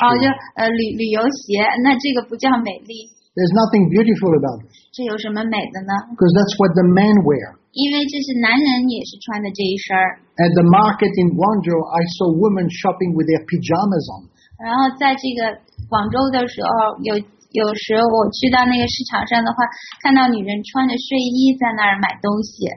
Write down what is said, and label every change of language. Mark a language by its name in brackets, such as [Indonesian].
[Chinese] 哦，就旅游鞋，那这个不叫美丽。 [English] There's nothing beautiful about it. [Chinese] 这有什么美的呢 [English] ？Because that's what the men wear. [Chinese] 因为这是男人也是穿的这一身。 [English] At the market in Guangzhou, I saw women shopping with their pajamas on. [Chinese] 然后在这个广州的时候，有时我去到那个市场上的话，看到女人穿着睡衣在那儿买东西。